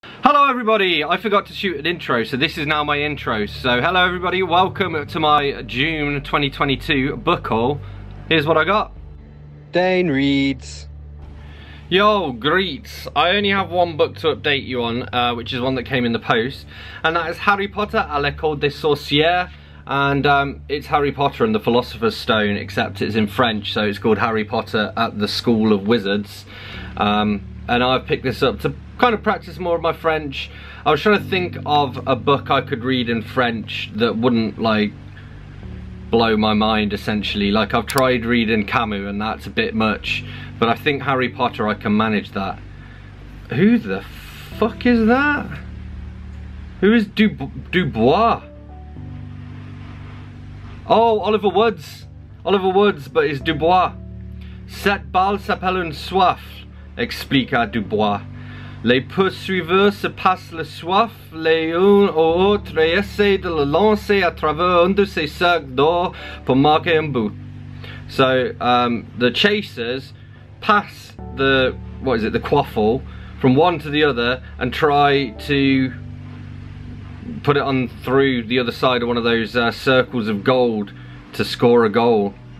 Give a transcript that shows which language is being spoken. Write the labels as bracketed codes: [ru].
[en] Hello everybody, I forgot to shoot an intro, so this is now my intro. So hello everybody, welcome to my June 2022 book haul. Here's what I got. Dane reads. Yo, greets. I only have one book to update you on, which is one that came in the post. And that is Harry Potter à l'école des sorcières. And it's Harry Potter and the Philosopher's Stone, except it's in French, so it's called Harry Potter at the School of Wizards. And I've picked this up to kind of practice more of my French. I was trying to think of a book I could read in French that wouldn't, like, blow my mind, essentially. Like, I've tried reading Camus, and that's a bit much. But I think Harry Potter, I can manage that. Who the fuck is that? Who is Dubois? Oh, Oliver Woods. Oliver Woods, but it's Dubois. [fr] Cette balle s'appelle une soif, expliqua Dubois. Les poursuiveurs se passent la soif, les uns aux autres, et essaient de le lancer à travers un de ces cercles d'or pour marquer un but. [en] So, the chasers pass the, what is it, the quaffle, from one to the other, and try to put it on through the other side of one of those circles of gold to score a goal.